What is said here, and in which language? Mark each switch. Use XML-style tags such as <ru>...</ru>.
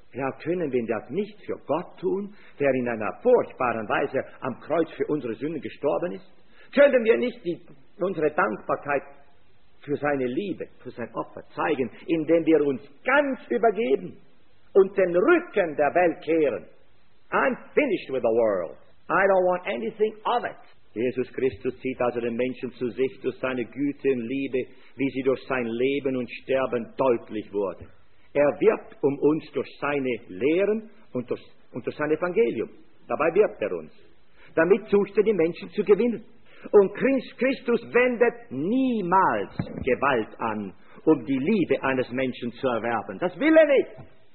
<de>Ja, können wir das nicht für Gott tun, der in einer furchtbaren Weise am Kreuz für unsere Sünden gestorben ist? Können wir nicht unsere Dankbarkeit für seine Liebe, für sein Opfer zeigen, indem wir uns ganz übergeben und den Rücken der Welt kehren?</de> <en>I'm finished with the world. I don't want anything of it.</en> <de>Jesus Christus zieht also den Menschen zu sich durch seine Güte und Liebe, wie sie durch sein Leben und Sterben deutlich wurde. Er wirbt um uns durch seine Lehren und durch sein Evangelium. Dabei wirbt er uns. Damit sucht er die Menschen zu gewinnen. Und Christus wendet niemals Gewalt an, um die Liebe eines Menschen zu erwerben. Das will er nicht.</de>